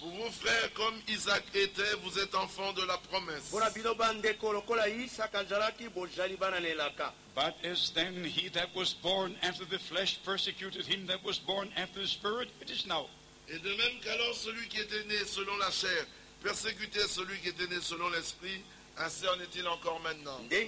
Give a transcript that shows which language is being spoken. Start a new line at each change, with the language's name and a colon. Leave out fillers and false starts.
French: Pour vos frères comme Isaac était, vous êtes enfants de la promesse.
English: But as then he that was born after the flesh persecuted him that was born after the spirit, it is now.
French: Et de même qu'alors celui qui était né selon la chair persécuter celui qui était né selon l'esprit, ainsi en est-il encore maintenant.